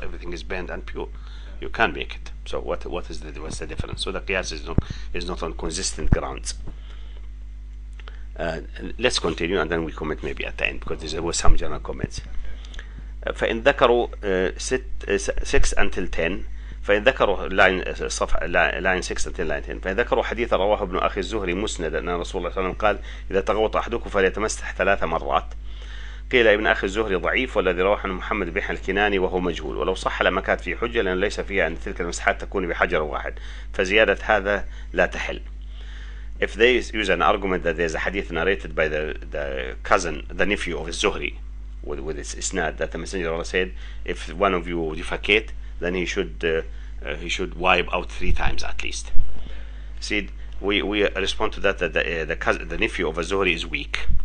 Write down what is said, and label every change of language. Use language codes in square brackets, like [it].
[en] Everything is burned and pure. Yeah. You can make it. So what's the difference? So the qiyas is not on consistent grounds. Let's continue and then we comment maybe at the end because there were some general comments. [ar] فإن ذكروا [en] six until ten. [ar] فإن ذكروا [en] line 6 until line 10. [ar] فإن ذكروا حديث رواه ابن أخي الزهري مسند أن رسول الله صلى الله عليه وسلم قال إذا تغوط أحدكم فليتمسح ثلاث مرات. قيل ابن أخي الزهري ضعيف والذي رواه عن محمد بن الكناني وهو مجهول. ولو صح لما كانت فيه حجة لأنه ليس فيها أن تلك المسحات تكون بحجر واحد فزيادة هذا لا تحل. [en] If they use an argument that there's a hadith narrated by the cousin, the nephew of Zuhri with its isnad that the Messenger of Allah said if one of you defecate then he should wipe out three times at least. See, we respond to that the cousin, the nephew of Zuhri is weak.